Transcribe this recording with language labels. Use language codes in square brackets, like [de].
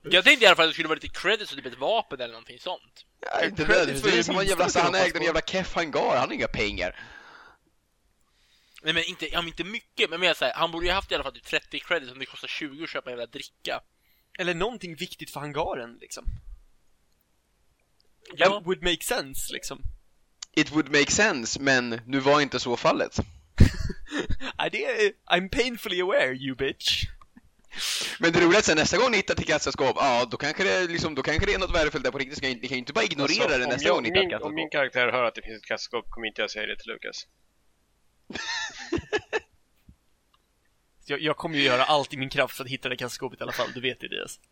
[sv] jag tänkte i alla fall att det skulle vara lite credits och typ ett vapen eller någonting sånt. Ja, inte credits, det är som en jävla, så han ägde en jävla keff hangar, han har inga pengar. Nej men inte, ja, men inte mycket, men jag säger, han borde ju haft i alla fall typ 30 credits om det kostar 20 att köpa en jävla dricka. Eller någonting viktigt för hangaren liksom. Ja. [en] It would make sense [sv] liksom. [en] It would make sense, [sv] men nu var inte så fallet. [en] I'm painfully aware, you bitch. [sv] Men det roligt är att nästa gång ni hittar till kassaskåp, ja, då kanske det liksom, då kanske det är något värdefullt där på riktigt. Ni kan ju inte bara ignorera alltså, det nästa gång ni hittar. Om min karaktär hör att det finns ett kassaskåp, kommer inte jag säga det till Lukas. Jag kommer ju göra allt i min kraft för att hitta det kassaskåpet i alla fall. Du vet det, Dias.